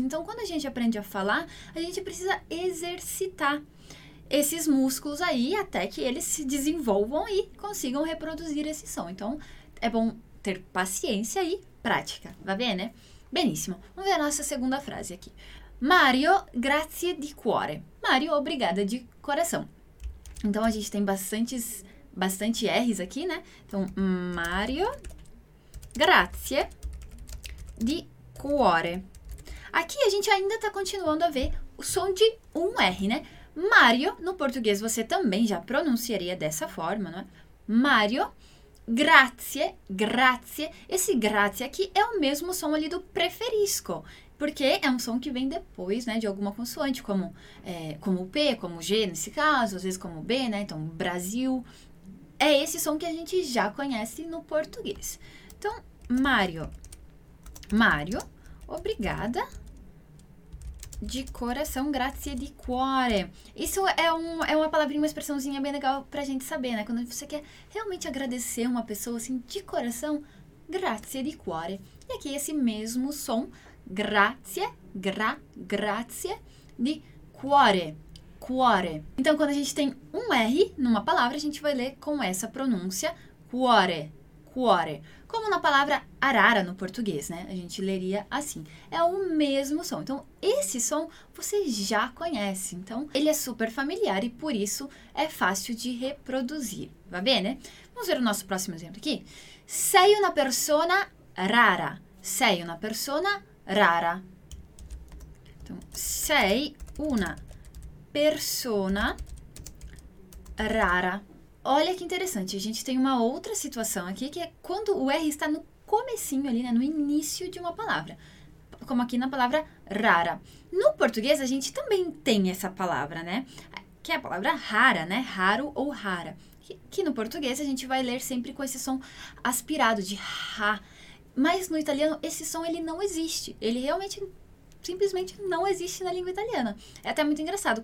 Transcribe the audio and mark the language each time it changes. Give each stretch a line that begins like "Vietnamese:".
Portuguese: Então, quando a gente aprende a falar, a gente precisa exercitar esses músculos aí até que eles se desenvolvam e consigam reproduzir esse som. Então, é bom ter paciência e prática, vai bem, né? Benissimo, vamos ver a nossa segunda frase aqui.
Italian: Mario, grazie di cuore.
Portuguese: Mario, obrigada de coração. Então, a gente tem bastante R's aqui, né?
Italian: Então, Mario, grazie di cuore.
Portuguese: Aqui, a gente ainda está continuando a ver o som de um R, né? Mario, no português, você também já pronunciaria dessa forma, não é?
Italian: Mario, grazie, grazie.
Portuguese: Esse grazie aqui é o mesmo som ali do preferisco, porque é um som que vem depois, né, de alguma consoante, como o P, como o G, nesse caso, às vezes como o B, né? Então, Brasil. É esse som que a gente já conhece no português. Então, Mario. Mario, obrigada. De coração,
Italian: grazie di cuore.
Portuguese: Isso é uma palavrinha, uma expressãozinha bem legal pra gente saber, né? Quando você quer realmente agradecer uma pessoa, assim, de coração,
Italian: grazie di cuore.
Portuguese: E aqui esse mesmo som,
Italian: grazie, grazie di cuore, cuore.
Portuguese: Então, quando a gente tem um R numa palavra, a gente vai ler com essa pronúncia,
Italian: cuore, cuore.
Portuguese: Como na palavra arara no português, né? A gente leria assim. É o mesmo som. Então, esse som você já conhece. Então, ele é super familiar e por isso é fácil de reproduzir.
Italian: Va bene?
Portuguese: Vamos ver o nosso próximo exemplo aqui.
Italian: Sei una persona rara. Sei una persona rara. Então, sei una persona rara.
Portuguese: Olha que interessante, a gente tem uma outra situação aqui, que é quando o R está no comecinho ali, né, no início de uma palavra, como aqui na palavra rara. No português, a gente também tem essa palavra, né, que é a palavra rara, né, raro ou rara, que no português a gente vai ler sempre com esse som aspirado de ra, mas no italiano esse som ele não existe, ele realmente simplesmente não existe na língua italiana. É até muito engraçado.